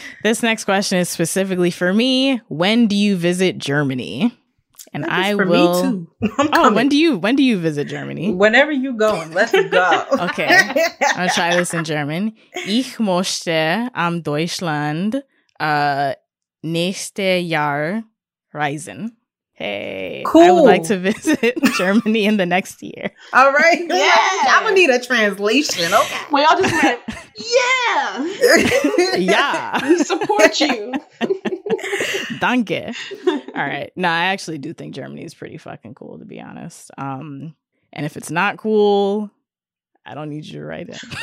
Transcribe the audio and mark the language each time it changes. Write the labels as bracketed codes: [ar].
[en] This next question is specifically for me. When do you visit Germany? And I will. Me too. When do you visit Germany? Whenever you going, let's go. Okay. I'm gonna try this in German. [de] Ich möchte am Deutschland nächste Jahr reisen. [en] Hey, cool. I would like to visit Germany in the next year. All right. Yeah. I'm going to need a translation. Okay. Well, y'all just went, yeah. Yeah. We support you. [de] Danke. [en] All right. No, I actually do think Germany is pretty fucking cool, to be honest. And if it's not cool, I don't need you to write it.